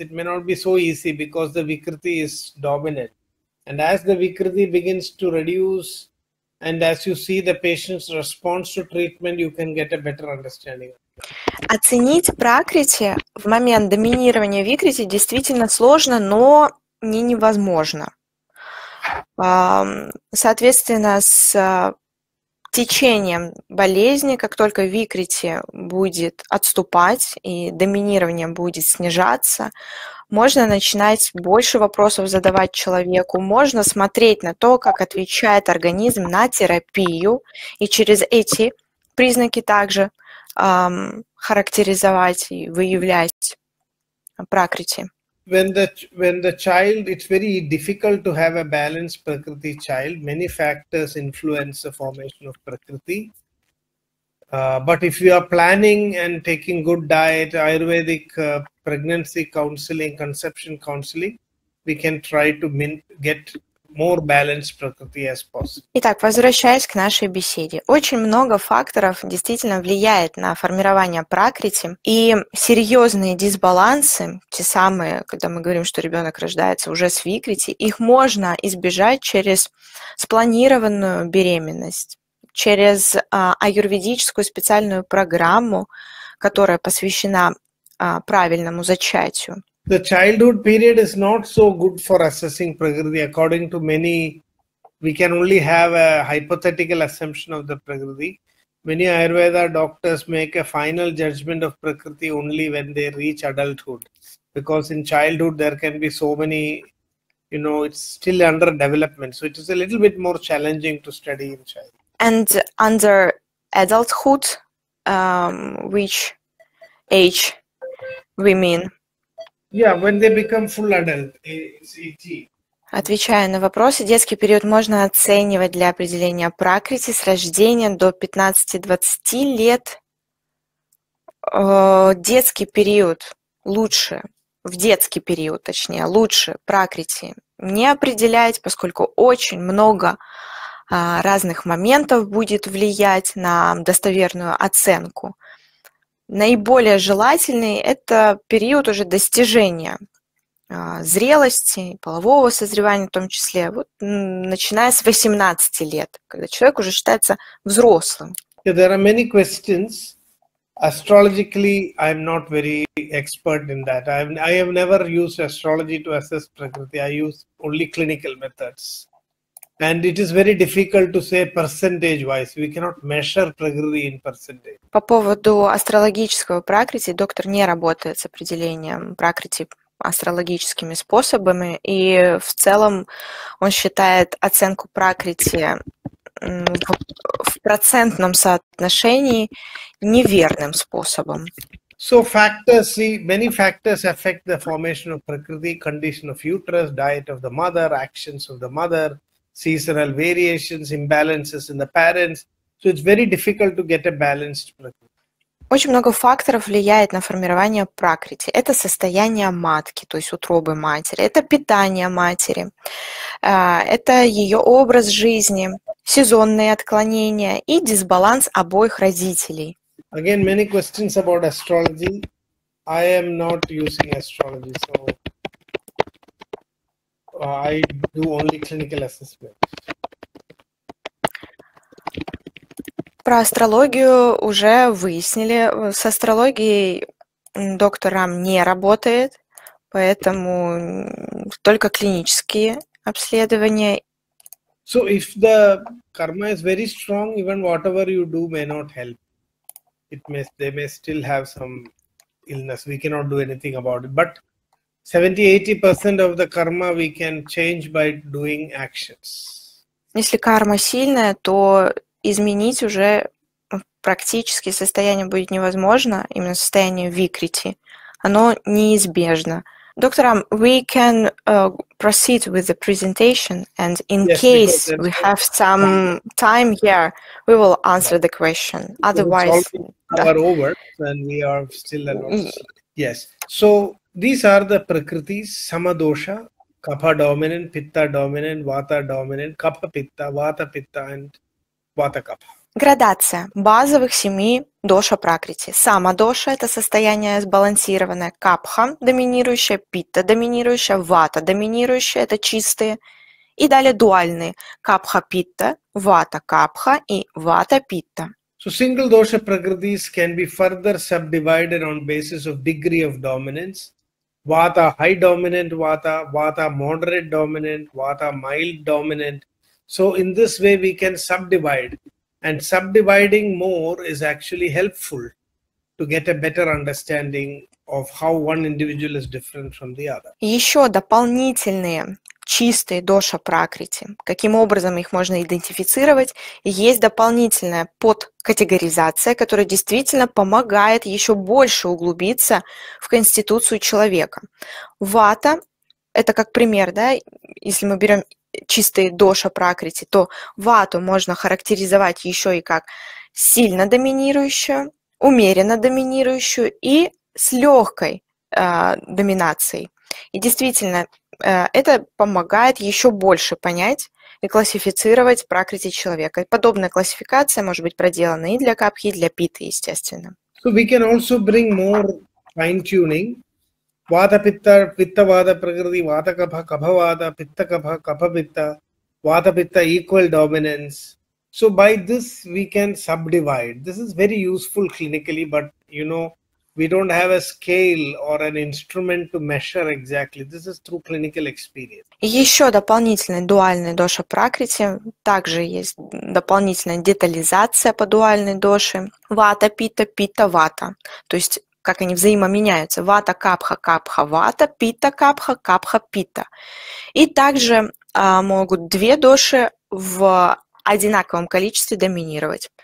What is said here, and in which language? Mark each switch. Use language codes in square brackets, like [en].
[en] It may not be so easy because the vikriti is dominant. And as the vikriti begins to reduce, and as you see the patient's response to treatment, you can get a better understanding. [ru] Оценить пракрити в момент доминирования викрити действительно сложно, но не невозможно. Соответственно, с течением болезни, как только викрити будет отступать и доминирование будет снижаться, можно начинать больше вопросов задавать человеку, можно смотреть на то, как отвечает организм на терапию, и через эти признаки также характеризовать и выявлять пракрити. [en] When the child, it's very difficult to have a balanced prakriti child. Many factors influence the formation of prakriti. But if you are planning and taking good diet, Ayurvedic pregnancy counseling, conception counseling, we can try to get more balanced prakriti as possible. [ru] Итак, возвращаясь к нашей беседе. Очень много факторов действительно влияет на формирование пракрити. И серьезные дисбалансы, те самые, когда мы говорим, что ребенок рождается уже с викрити, их можно избежать через спланированную беременность, через аюрведическую специальную программу, которая посвящена правильному зачатию. [en] The childhood period is not so good for assessing prakriti. According to many, we can only have a hypothetical assumption of the prakriti. Many Ayurveda doctors make a final judgment of prakriti only when they reach adulthood. Because in childhood, there can be so many, you know, it's still under development. So it is a little bit more challenging to study in child. And under adulthood, which age we mean? Yeah, when they become full adult, ACT. [ru] Отвечая на вопросы, детский период можно оценивать для определения пракрити с рождения до 15-20 лет. Детский период лучше, в детский период, точнее, лучше пракрити не определять, поскольку очень много разных моментов будет влиять на достоверную оценку. Наиболее желательный – это период уже достижения зрелости, полового созревания в том числе, вот, начиная с 18 лет, когда человек уже считается взрослым. [en] Yeah, there are many questions. Astrologically, I'm not very expert in that. I have never used astrology to assess prakriti. I use only clinical methods. And it is very difficult to say percentage-wise. We cannot measure prakriti in percentage. [ru] По поводу астрологического пракрити, доктор не работает с определением пракрити астрологическими способами. И в целом он считает оценку пракрити в процентном соотношении неверным способом. [en] So factors, see, many factors affect the formation of prakriti, condition of uterus, diet of the mother, actions of the mother, seasonal variations, imbalances in the parents. So it's very difficult to get a balanced prakriti. [ru] Очень много факторов влияет на формирование пракрити. Это состояние матки, то есть утробы матери, это питание матери, это ее образ жизни, сезонные отклонения и дисбаланс обоих родителей. [en] Again, many questions about astrology. I am not using astrology, so I do only clinical assessment. [ru] Про астрологию уже выяснили. С астрологией доктор Рам не работает, поэтому только клинические обследования. [en] So if the karma is very strong, even whatever you do may not help. It may, they may still have some illness. We cannot do anything about it. But 70-80% of the karma we can change by doing actions. [ru] Если карма сильная, то изменить уже практически состояние будет невозможно, именно состояние викрити. Оно неизбежно. [en] Доктор, we can proceed with the presentation, and in yes, case we have some time here, we will answer the question. Otherwise, are over, and we are still alone. Yes. So these are the prakritis: sama dosha, kapha dominant, pitta dominant, vata dominant, kapha pitta, vata pitta, and vata kapha. [ru] Градация базовых семи доша пракрити. Сама доша – это состояние сбалансированное. Капха – доминирующая, питта – доминирующая, вата – доминирующая, это чистые. И далее дуальные – капха-питта, вата-капха и вата-питта. [en] So single dosha prakritis can be further subdivided on basis of degree of dominance. Vata – high dominant vata, vata – moderate dominant, vata – mild dominant. So in this way we can subdivide. And subdividing more is actually helpful to get a better understanding of how one individual is different from the other. [ru] Еще дополнительные чистые доша пракрити, каким образом их можно идентифицировать, есть дополнительная подкатегоризация, которая действительно помогает еще больше углубиться в конституцию человека. Вата, это как пример, да, если мы берем чистые доша пракрити, то вату можно характеризовать еще и как сильно доминирующую, умеренно доминирующую и с легкой доминацией. И действительно, это помогает еще больше понять и классифицировать пракрити человека. Подобная классификация может быть проделана и для капхи, и для питы, естественно. [en] So we can also bring more fine-tuning. Vata pitta, pitta vata prakriti, vata kapha, kapha vata, pitta kapha, kapha pitta, vata pitta equal dominance. So by this we can subdivide. This is very useful clinically, but you know, we don't have a scale or an instrument to measure exactly. This is through clinical experience. [ru] Еще дополнительный дуальный доша пракрити, также есть дополнительная детализация по дуальной доше. Вата питта, питта вата. То есть как они взаимоменяются. Вата, капха, капха, вата, питта, капха, капха, питта. И также могут две доши в одинаковом количестве доминировать.